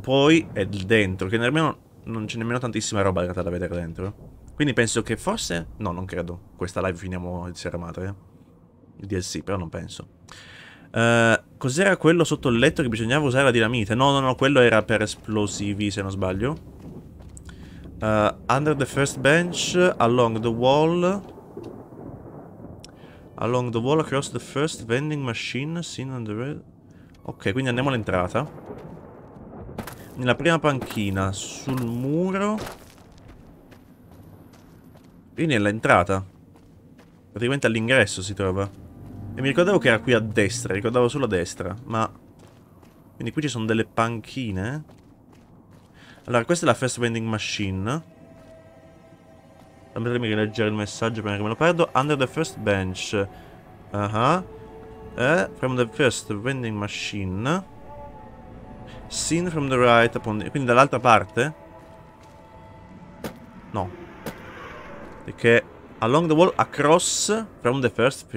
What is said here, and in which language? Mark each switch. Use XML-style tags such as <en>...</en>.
<it>Poi è il dentro, che nemmeno, non c'è nemmeno tantissima roba in realtà da vedere dentro. Quindi penso che forse. No, non credo. Questa live finiamo di Sierra Madre. Il DLC, però non penso. Cos'era quello sotto il letto che bisognava usare la dinamite? No, no, no, quello era per esplosivi, se non sbaglio.</it> <en>Under the first bench, along the wall. Along the wall across the first vending machine seen on the red.</en> <it>Ok, quindi andiamo all'entrata. Nella prima panchina, sul muro. Quindi è l'entrata. Praticamente all'ingresso si trova. E mi ricordavo che era qui a destra, ricordavo solo a destra, ma. Quindi qui ci sono delle panchine. Allora, questa è la first vending machine. Andatemi a rileggere il messaggio prima che me lo perdo.</it> <en>Under the first bench. From the first vending machine. Seen from the right upon the.</en> <it>Quindi dall'altra parte? No. Perché.</it> <en>Along the wall, across from the first.</en>